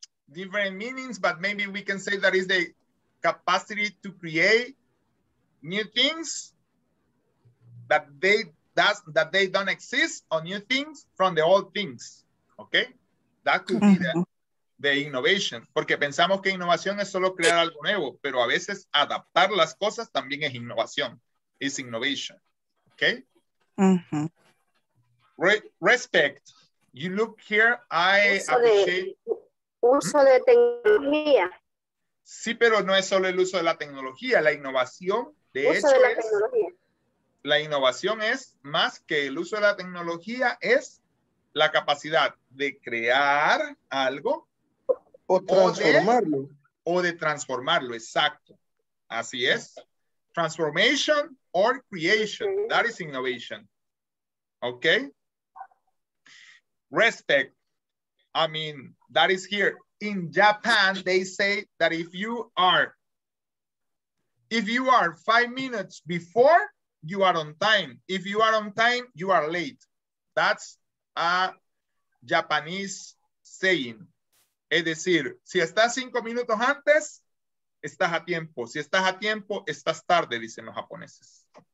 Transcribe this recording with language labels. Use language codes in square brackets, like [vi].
[en] Different meanings, but maybe we can say that is the capacity to create new things that they don't exist, or new things from the old things. Okay, that could be the innovation. [es] Porque pensamos que innovación es solo crear algo nuevo, pero a veces adaptar las cosas también es innovación. [en] It's innovation. Okay. Respect. You look here. I appreciate. [es] Uso de tecnología. Sí, pero no es solo el uso de la tecnología, la innovación. De hecho, uso de la tecnología. La innovación es más que el uso de la tecnología, es la capacidad de crear algo o transformarlo. O de transformarlo, exacto. Así es. [en] Transformation or creation. Okay. That is innovation. Ok. Respect. I mean, that is here. In Japan, they say that if you are 5 minutes before, you are on time. If you are on time, you are late. That's a Japanese saying. [es] Es decir, si estás 5 minutos antes, estás a tiempo. Si estás a tiempo, estás tarde, dicen los japoneses.